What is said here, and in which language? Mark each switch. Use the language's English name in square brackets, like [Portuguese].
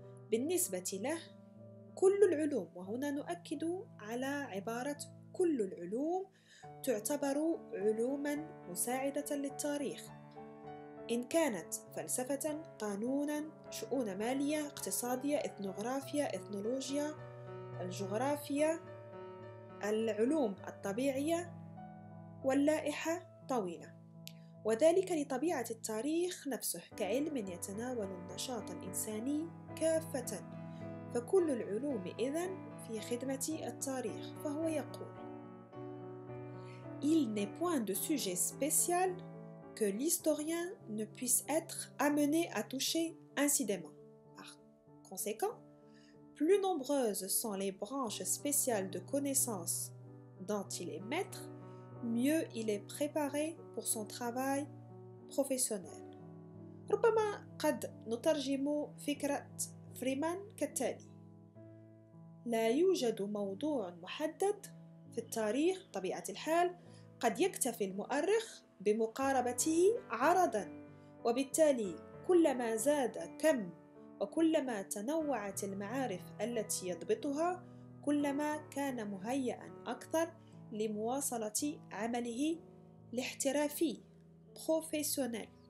[Arabic] بالنسبة له كل العلوم، وهنا نؤكد على عبارة كل العلوم، تعتبر علوما مساعدة للتاريخ، إن كانت فلسفة، قانونا، شؤون مالية، اقتصادية، إثنوغرافيا، إثنولوجيا، الجغرافيا، العلوم الطبيعية، واللائحة طويلة. وذلك لطبيعة التاريخ نفسه كعلم يتناول النشاط الإنساني كافة، فكل العلوم إذن في خدمة التاريخ. [French] فهو يقول: Il n'est point de sujet spécial que l'historien ne puisse être amené à toucher incidemment. Par conséquent, plus nombreuses sont les branches spéciales de connaissances dont il est maître, mieux il est préparé pour son travail professionnel. [Arabic] ربما قد نترجم فكرة فريمان كالتالي: لا يوجد موضوع محدد في التاريخ طبيعة الحال قد يكتفي المؤرخ بمقاربته عرضا، وبالتالي كلما زاد كم وكلما تنوعت المعارف التي يضبطها، كلما كان مهيئا أكثر لمواصلة عمله الاحترافي بروفيسيونيل.